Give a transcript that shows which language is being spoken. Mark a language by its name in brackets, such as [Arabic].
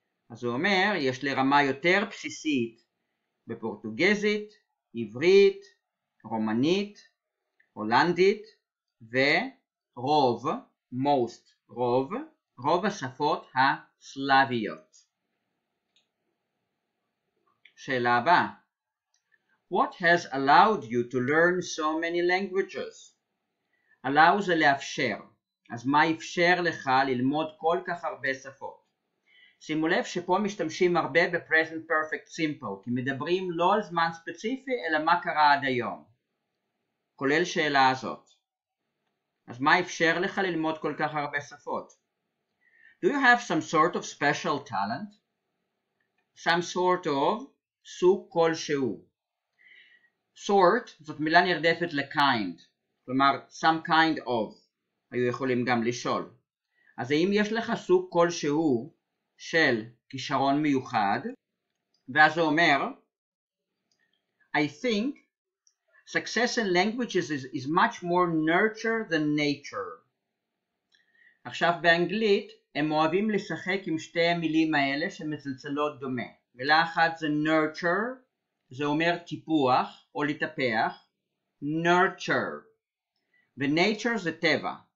[Hebrew] אז הוא אומר, יש לי רמה יותר בסיסית בפורטוגזית, עברית, רומנית, הולנדית, ורוב, most, רוב, רוב השפות הסלאביות. שאלה הבאה. [English] What has allowed you to learn so many languages? [Hebrew] Allow זה לאפשר. אז מה אפשר לך ללמוד כל כך הרבה שפות? שימו לב שפה משתמשים הרבה ב-present perfect simple, כי מדברים לא על זמן ספציפי, אלא מה קרה עד היום. כולל שאלה הזאת. אז מה אפשר לך ללמוד כל כך הרבה שפות? [English] Do you have some sort of special talent? Some sort of, [Hebrew] סוג כלשהו. Sort, זאת מילה נרדפת ל-kind, כלומר, [English] some kind of, [Hebrew] היו יכולים גם לשאול. אז האם יש לך סוג כלשהו של כישרון מיוחד? ואז הוא אומר, [English] I think success in languages is much more nurture than nature. [Hebrew] עכשיו באנגלית, הם אוהבים לשחק עם שתי המילים האלה שמצלצלות דומה. מילה אחת זה nurture, זה אומר טיפוח או לטפח, nurture, ו-nature זה טבע.